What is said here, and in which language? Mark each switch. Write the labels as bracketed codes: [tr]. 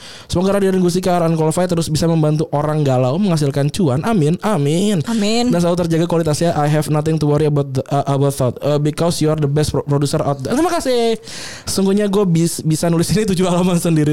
[id] Semoga Radio dan Gusika Unqualified terus bisa membantu orang galau menghasilkan cuan. Amin, amin. Amin. Dan selalu terjaga kualitasnya. [en] I have nothing to worry about because you are the best producer out there. [id] Terima kasih. Sungguhnya gue bisa nulis ini 7 halaman sendiri.